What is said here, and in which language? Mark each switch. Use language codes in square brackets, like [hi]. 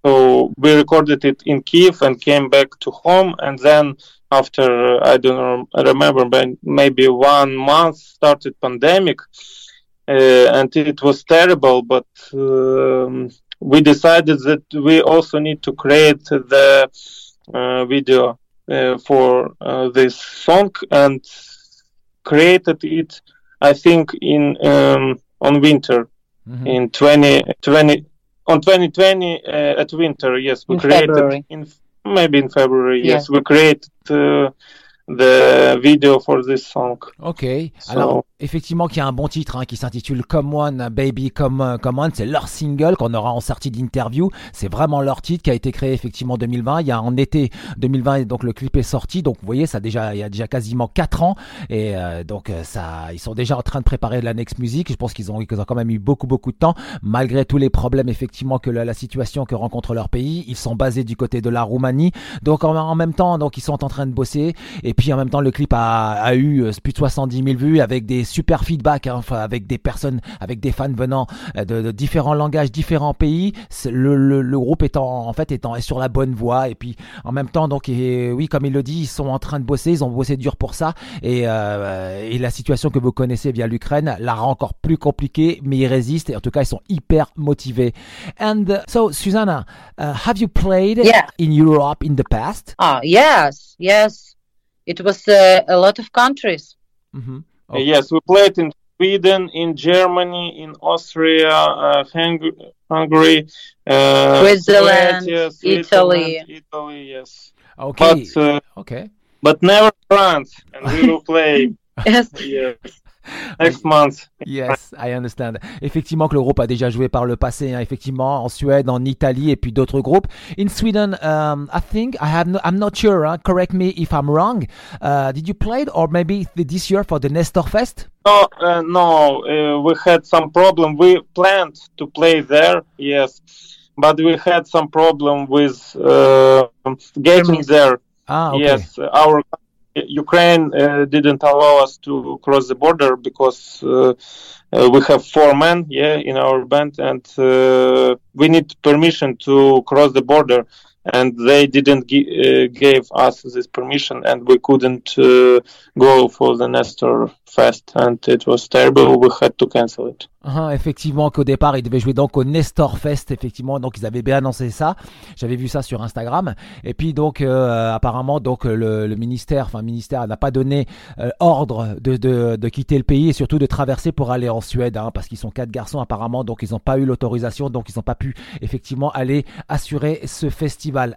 [en] So we recorded it in Kyiv and came back to home, and then after I remember maybe 1 month started pandemic, and it was terrible, but we decided that we also need to create the video for this song, and created it I think in on winter in 2020. On 2020 at winter, yes, we in February. Yes, we created the video for this song. Okay. [fr] So, alors, effectivement, qu'il y a un bon titre hein, qui s'intitule Come One, Baby, Come One. C'est leur single qu'on aura en sortie d'interview. C'est vraiment leur titre qui a été créé effectivement en 2020. Il y a en été 2020 et donc le clip est sorti. Donc, vous voyez, ça déjà, il y a déjà quasiment 4 ans. Et donc, ça, ils sont déjà en train de préparer de la [en] next music. [fr] Je pense qu'ils ont quand même eu beaucoup, beaucoup de temps. Malgré tous les problèmes, effectivement, que la situation que rencontre leur pays, ils sont basés du côté de la Roumanie. Donc, en même temps, donc, ils sont en train de bosser. Et puis, en même temps, le clip a eu plus de 70 000 vues avec des super feedback hein, avec des personnes, avec des fans venant de différents langages, différents pays. Le groupe est sur la bonne voie, et puis en même temps donc, et oui, comme il le dit, ils sont en train de bosser, ils ont bossé dur pour ça, et la situation que vous connaissez via l'Ukraine la rend encore plus compliquée, mais ils résistent, et en tout cas ils sont hyper motivés. [en] And so Susanna, have you played in Europe in the past? Yes, it was a lot of countries. Okay. Yes, we played in Sweden, in Germany, in Austria, Hungary, Switzerland, Italy, yes. Okay. But never France, and we will play. Yes. Yes. Next month. Yes, I understand. [fr] Effectivement, que le groupe a déjà joué par le passé, hein, effectivement, en Suède, en Italie, et puis d'autres groupes. [en] In Sweden, I think, I'm not sure, huh? Correct me if I'm wrong. Did you play it, or maybe this year for the Nestorfest? No, we had some problem. We planned to play there, yes, but we had some problem with getting there. Ah, okay. Yes, our Ukraine didn't allow us to cross the border because we have 4 men in our band, and we need permission to cross the border, and they didn't give us this permission, and we couldn't go for the Nestor Fest, and it was terrible, we had to cancel it. [fr] Effectivement, qu'au départ ils devaient jouer donc au Nestor Fest, effectivement, donc ils avaient bien annoncé ça, j'avais vu ça sur Instagram, et puis donc apparemment donc le ministère n'a pas donné ordre de quitter le pays, et surtout de traverser pour aller en Suède hein, parce qu'ils sont 4 garçons apparemment, donc ils n'ont pas eu l'autorisation, donc ils n'ont pas pu effectivement aller assurer ce festival.